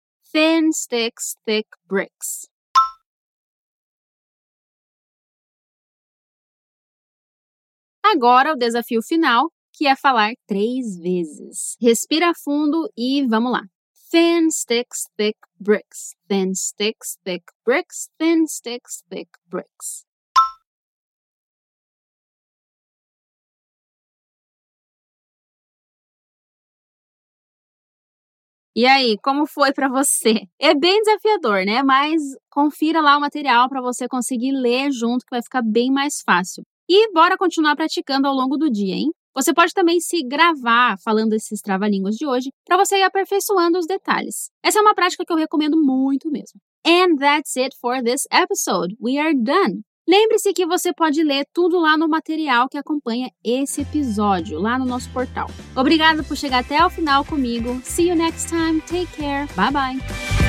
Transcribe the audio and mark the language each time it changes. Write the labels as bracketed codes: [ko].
[en] Thin sticks, thick bricks. [pt] Agora, o desafio final, que é falar três vezes. Respira fundo e vamos lá. [en] Thin sticks, thick bricks. Thin sticks, thick bricks. Thin sticks, thick bricks. [pt] E aí, como foi para você? É bem desafiador, né? Mas confira lá o material para você conseguir ler junto, que vai ficar bem mais fácil. E bora continuar praticando ao longo do dia, hein? Você pode também se gravar falando esses trava-línguas de hoje para você ir aperfeiçoando os detalhes. Essa é uma prática que eu recomendo muito mesmo. [en] And that's it for this episode. We are done. [pt] Lembre-se que você pode ler tudo lá no material que acompanha esse episódio, lá no nosso portal. Obrigada por chegar até o final comigo. [en] See you next time. Take care. Bye-bye.